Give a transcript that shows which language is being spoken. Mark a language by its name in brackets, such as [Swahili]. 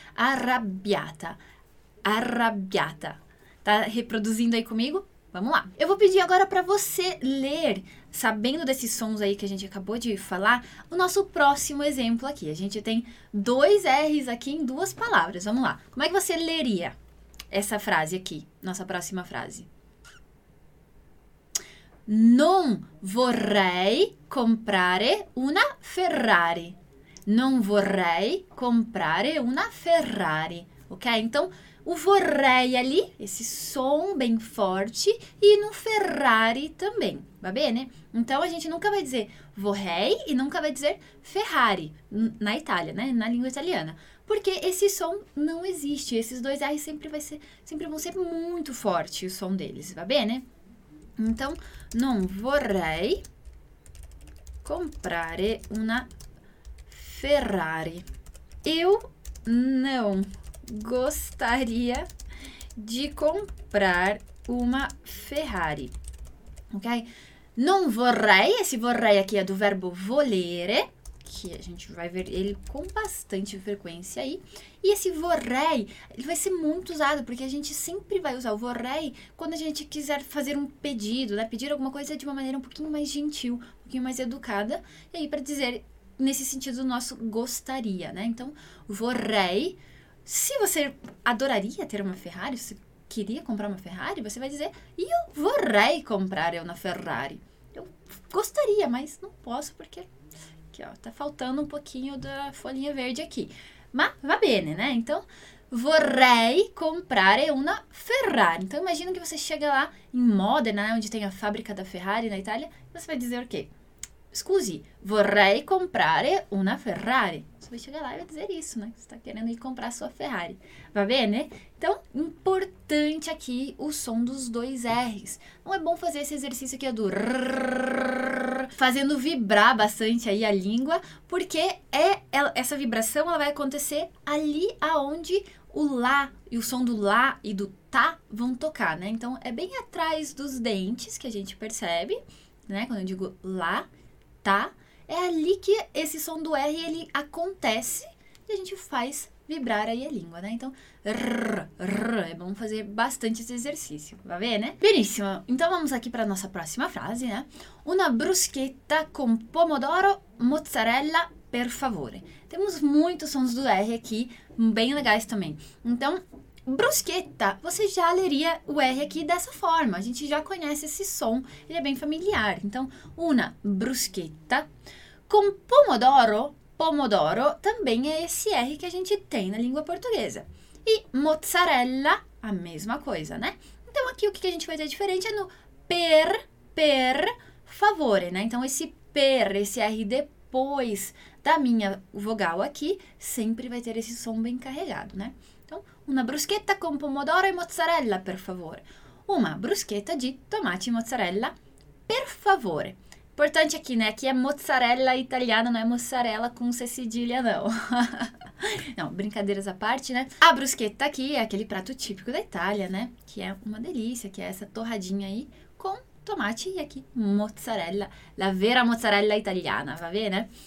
[Portuguese] Arrabbiata, arrabbiata, tá reproduzindo aí comigo? Vamos lá. Eu vou pedir agora para você ler, sabendo desses sons aí que a gente acabou de falar, o nosso próximo exemplo aqui. A gente tem dois R's aqui em duas palavras. Vamos lá. Como é que você leria essa frase aqui? Nossa próxima frase. [Italian] Non vorrei comprare una Ferrari. Non vorrei comprare una Ferrari. Ok? [Portuguese] Então, o vorrei ali, esse som bem forte, e no Ferrari também, [Italian] va bene? [Portuguese] Então a gente nunca vai dizer vorrei e nunca vai dizer Ferrari na Itália, né? Na língua italiana. Porque esse som não existe. Esses dois R sempre vão ser muito forte o som deles, [Italian] va bene? [Portuguese] Então, [Italian] non vorrei comprare una Ferrari. [Portuguese] Eu não gostaria de comprar uma Ferrari, ok? Non vorrei, esse vorrei aqui é do verbo volere, que a gente vai ver ele com bastante frequência aí. E esse vorrei, ele vai ser muito usado, porque a gente sempre vai usar o vorrei quando a gente quiser fazer um pedido, né? Pedir alguma coisa de uma maneira um pouquinho mais gentil, um pouquinho mais educada, e aí para dizer nesse sentido o nosso gostaria, né? Então, vorrei. Se você adoraria ter uma Ferrari, se queria comprar uma Ferrari, você vai dizer: [Italian] Io vorrei comprare una Ferrari. [Portuguese] Eu gostaria, mas não posso porque aqui, ó, tá faltando um pouquinho da folhinha verde aqui. Mas [Italian] va bene, [Portuguese] né? Então, [Italian] vorrei comprare una Ferrari. [Portuguese] Então, imagina que você chega lá em Modena, né, onde tem a fábrica da Ferrari na Itália, e você vai dizer o quê? [Italian] Scusi, vorrei comprare una Ferrari. [Portuguese] Você vai chegar lá e vai dizer isso, né? Você está querendo ir comprar a sua Ferrari. [Italian] Va bene? [Portuguese] Então, importante aqui o som dos dois R's. Não é bom fazer esse exercício aqui do rrr, fazendo vibrar bastante aí a língua, porque essa vibração ela vai acontecer ali aonde o lá e o som do lá e do tá vão tocar, né? Então, é bem atrás dos dentes que a gente percebe, né? Quando eu digo lá, tá? É ali que esse som do R ele acontece a gente faz vibrar aí a língua, né? Então, rrr, rrr, é bom fazer bastante esse exercício, [Italian] va bene? Benissimo, [Portuguese] então vamos aqui para a nossa próxima frase, né? [Italian] Una bruschetta con pomodoro, mozzarella, per favore. [Portuguese] Temos muitos sons do R aqui, bem legais também. Então, bruschetta, você já leria o R aqui dessa forma. A gente já conhece esse som, ele é bem familiar. Então, [Italian] una bruschetta con pomodoro. [Portuguese] Pomodoro também é esse R que a gente tem na língua portuguesa. E mozzarella, a mesma coisa, né? Então, aqui o que a gente vai ter diferente é no per favore, né? Então, esse per, esse R depois da minha vogal aqui, sempre vai ter esse som bem carregado, né? Então, [Italian] una bruschetta con pomodoro e mozzarella, per favore. Una bruschetta di tomate e mozzarella, per favore. [Portuguese] Importante aqui, né? Aqui é mozzarella italiana, não é mozzarella com C cedilha, não. Não, brincadeiras à parte, né? A bruschetta aqui é aquele prato típico da Itália, né? Que é uma delícia, que é essa torradinha aí com tomate e aqui mozzarella, [Italian] la vera mozzarella italiana, va bene?